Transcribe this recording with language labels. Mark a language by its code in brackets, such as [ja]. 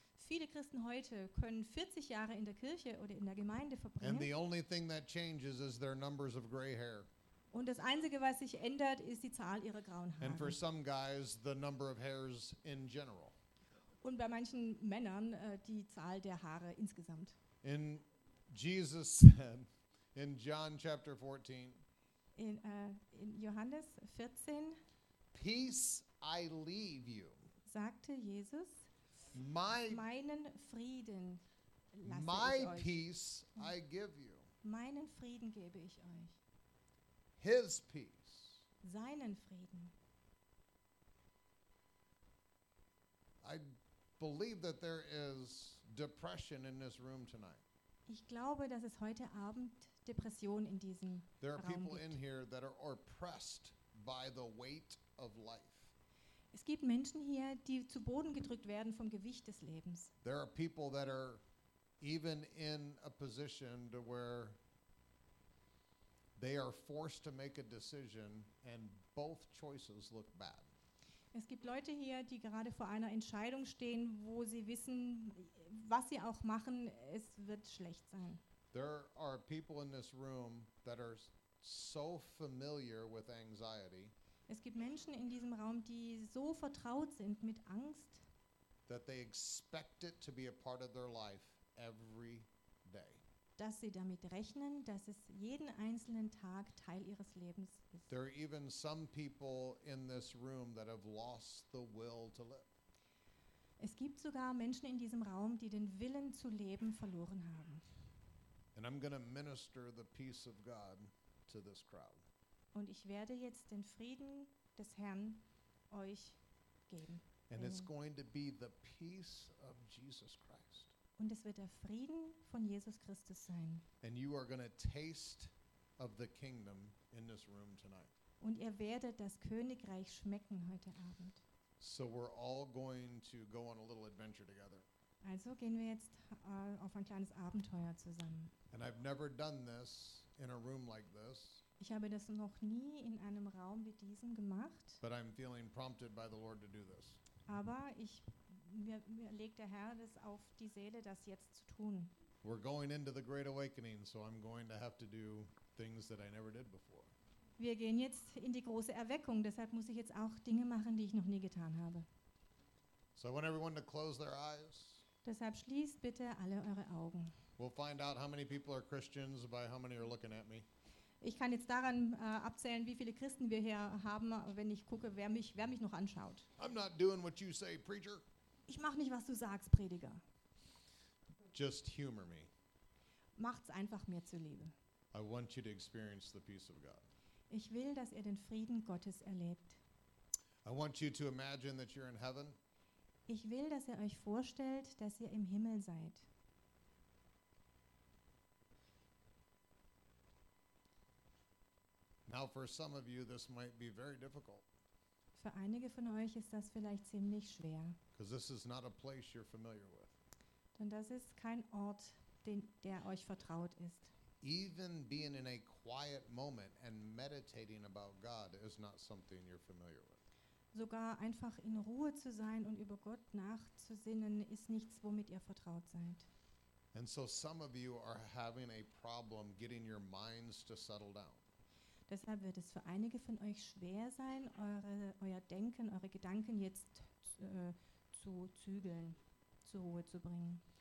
[de] Viele Christen heute können 40 Jahre in der Kirche oder in der Gemeinde verbringen. [en] And the only thing that changes is their numbers of gray hair. [de] Und das einzige, was sich ändert, ist die Zahl ihrer grauen Haare. [en] And for some guys, the number of hairs in general. [de] Und bei manchen Männern die Zahl der Haare insgesamt. [en] In Jesus, in John chapter 14. [de] In Johannes 14. [en] Peace I leave you. [de] Sagte Jesus. Meinen Frieden lasse ich euch. [en] My peace I give you. [de] Meinen Frieden gebe ich euch. [en] His peace. [de] Seinen Frieden. [en] I believe that there is depression in this room tonight. [de] Ich glaube, dass es heute Abend Depression in diesem Raum gibt. [en] There are people in here that are oppressed by the weight of life. [de] Es gibt Menschen hier, die zu Boden gedrückt werden vom Gewicht des Lebens. [en] There are people that are even in a position to where they are forced to make a decision and both choices look bad. [de] Es gibt Leute hier, die gerade vor einer Entscheidung stehen, wo sie wissen, was sie auch machen, es wird schlecht sein. [en] There are people in this room that are so familiar with anxiety. [de] Es gibt Menschen in diesem Raum, die so vertraut sind mit Angst, [en] that they expect it to be a part of their life every day. [de] Dass sie damit rechnen, dass es jeden einzelnen Tag Teil ihres Lebens ist. [en] There are even some people in this room that have lost the will to live. [de] Es gibt sogar Menschen in diesem Raum, die den Willen zu leben verloren haben. [en] And I'm going to minister the peace of God to this crowd. [de] Und ich werde jetzt den Frieden des Herrn euch geben. [en] And it's going to be the peace of Jesus Christ. [de] Und es wird der Frieden von Jesus Christus sein. [en] And you are going to taste of the kingdom in this room tonight. [de] Und ihr werdet das Königreich schmecken heute Abend. [en] So we're all going to go on a little adventure together. [de] Also gehen wir jetzt auf ein kleines Abenteuer zusammen. [en] And I've never done this in a room like this. [de] Ich habe das noch nie in einem Raum wie diesem gemacht. [en] But I'm feeling prompted by the Lord to do this. [de] Aber mir legt der Herr das auf die Seele, das jetzt zu tun. [en] We're going into the Great Awakening, so I'm going to have to do things that I never did before. [de] Wir gehen jetzt in die große Erweckung, deshalb muss ich jetzt auch Dinge machen, die ich noch nie getan habe. [en] So I want everyone to close their eyes. [de] Deshalb schließt bitte alle eure Augen. [en] We'll find out how many people are Christians by how many are looking at me. [de] Ich kann jetzt daran abzählen, wie viele Christen wir hier haben, wenn ich gucke, wer mich noch anschaut. [en] I'm not doing what you say, preacher. [de] Ich mache nicht, was du sagst, Prediger. [en] Just humor me. [de] Macht's einfach mir zuliebe. [en] I want you to experience the peace of God. [de] Ich will, dass ihr den Frieden Gottes erlebt. [en] I want you to imagine that you're in heaven. [de] Ich will, dass ihr euch vorstellt, dass ihr im Himmel seid. [en] Now for some of you this might be very difficult. [de] Für einige von euch ist das vielleicht ziemlich schwer. [en] Because this is not a place you're familiar with. [de] Denn das ist kein Ort, der euch vertraut ist. [en] Even being in a quiet moment and meditating about God is not something you're familiar with. [de] Sogar einfach in Ruhe zu sein und über Gott nachzusinnen ist nichts, womit ihr vertraut seid. [en] And so some of you are having a problem getting your minds to settle down. [de] Deshalb wird es für einige von euch schwer sein, euer Denken, eure Gedanken jetzt zu zügeln, zur Ruhe zu bringen.